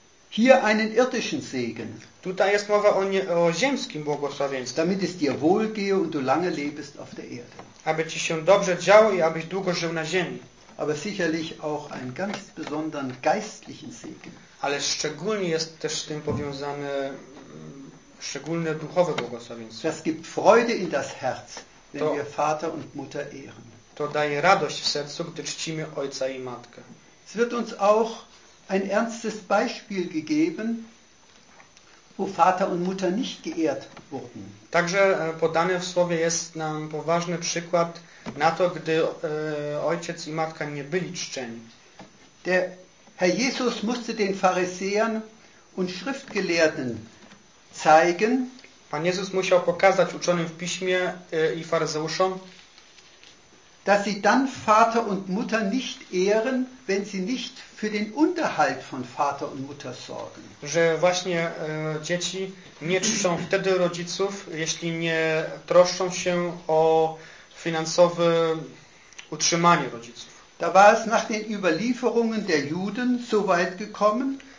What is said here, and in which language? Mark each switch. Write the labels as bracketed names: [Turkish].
[German] Hier einen irdischen Segen. [Polish] Tutaj jest mowa o, nie, o ziemskim błogosławieństwie. [German] Damit es dir wohl gehe und du lange lebst auf der Erde. [Polish] Aby ci się dobrze działo i abyś długo żył na ziemi. [German] Aber sicherlich auch einen ganz besonderen geistlichen Segen. [Polish] Ale szczególnie jest też z tym powiązane szczególne duchowe błogosławieństwo. [German] Das gibt Freude in das Herz, wenn wir Vater und Mutter ehren. [Polish] To daje radość w sercu, gdy czcimy ojca i matkę. [German] Es wird uns auch ein ernstes Beispiel gegeben, wo Vater und Mutter nicht geehrt wurden. [Polish] Także podane w słowie jest nam poważny przykład na to, gdy ojciec i matka nie byli czczeni. [German] Der Herr Jesus musste den Pharisäern und Schriftgelehrten zeigen. [Polish] Pan Jezus musiał pokazać uczonym w piśmie i faryzeuszom, [German] dass sie dann Vater und Mutter nicht ehren, wenn sie nicht für den Unterhalt von Vater und Mutter sorgen. [Polish] Że właśnie dzieci nie czczą wtedy rodziców, jeśli nie troszczą się o finansowe utrzymanie rodziców. [German] Da war es nach den Überlieferungen der Juden so weit gekommen,